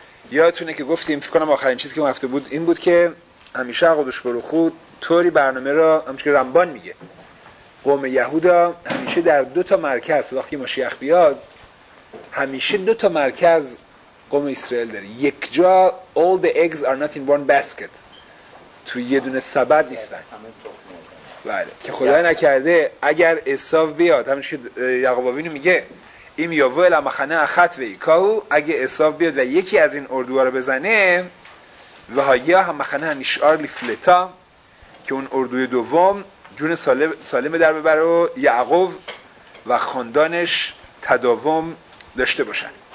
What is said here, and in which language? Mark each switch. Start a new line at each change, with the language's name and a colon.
Persian: یادتونه که گفتیم فکر کنم آخرین چیزی که اون هفته بود این بود که همیشه عقودش برو خود طوری برنامه را همچنکه رمبان میگه قوم یهودا همیشه در دو تا مرکز وقتی مشیخ بیاد همیشه دو تا مرکز قوم اسرائیل داره. یک جا
English: all the eggs are not in one basket،
Persian: تو یه دونه سبد نیستن. بله که خدای نکرده اگر عصاو بیاد همینش که یعقوب آوینو میگه
Hebrew: ایم یاوه لمخنه اخت و ایکاو،
Persian: اگه عصاو بیاد و یکی از این اردوها رو بزنه و هایی ها همخنه همیشار لفلتا که اون اردوی دوم جون سالم در ببره و یعقوب و خاندانش تداوم داشته باشن.